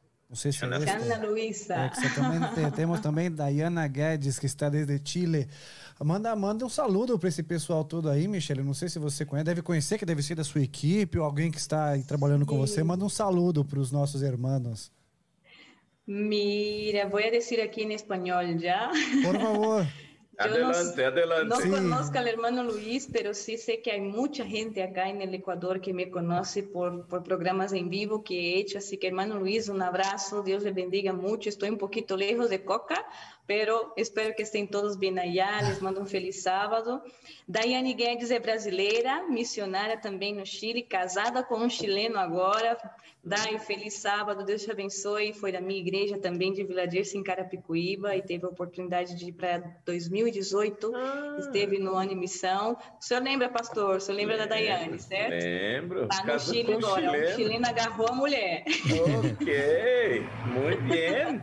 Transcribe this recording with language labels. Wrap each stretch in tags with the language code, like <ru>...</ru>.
<pt>Não sei se é Luisa. Temos também Dayana Guedes, que está desde Chile. Manda um saludo para esse pessoal todo aí, Michele. Não sei se você conhece, deve conhecer, que deve ser da sua equipe ou alguém que está aí trabalhando com você. Manda um saludo para os nossos irmãos.</pt> <es>Mira, voy a decir aquí en español ya. Por favor. Adelante, adelante. No conozco al hermano Luis, pero sí sé que hay mucha gente acá en el Ecuador que me conoce por programas en vivo que he hecho. Así que, hermano Luis, un abrazo. Dios le bendiga mucho. Estoy un poquito lejos de Coca, pero espero que estén todos bien allá. Les mando un feliz sábado. Dayane Guedes es brasileira, misionária también en Chile, casada con un chileno ahora.</es> <pt>Dai, feliz sábado, Deus te abençoe. Foi da minha igreja também, de Vila Dirce, em Carapicuíba, e teve a oportunidade de ir para 2018, esteve no ano em missão. O senhor lembra, pastor? O senhor lembra da Dayane, certo? Lembro. Está no Chile agora, o chileno agarrou a mulher. Ok, muito bem.</pt>